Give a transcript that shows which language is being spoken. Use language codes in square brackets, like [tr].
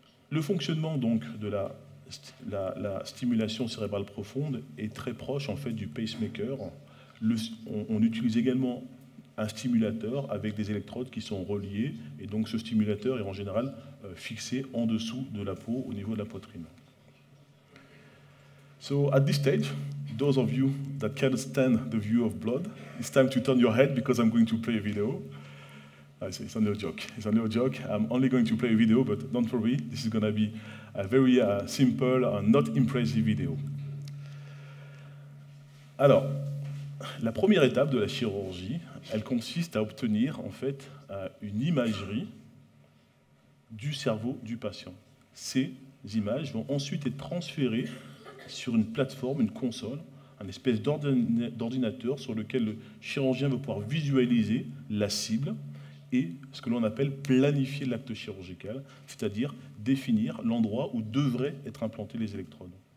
[fr] Le fonctionnement donc de la stimulation cérébrale profonde est très proche en fait du pacemaker. On utilise également un stimulateur avec des électrodes qui sont reliées, et donc ce stimulateur est en général fixé en dessous de la peau, au niveau de la poitrine. [en] So at this stage, those of you that can stand the view of blood, it's time to turn your head because I'm going to play a video. It's a little joke. I'm only going to play a video, but don't worry. This is going to be a very simple and not impressive video. [fr] Alors, la première étape de la chirurgie, elle consiste à obtenir en fait une imagerie du cerveau du patient. Ces images vont ensuite être transférées sur une plateforme, une console, un espèce d'ordinateur sur lequel le chirurgien va pouvoir visualiser la cible et ce que l'on appelle planifier l'acte chirurgical, c'est-à-dire définir l'endroit où devraient être implantées les électrodes.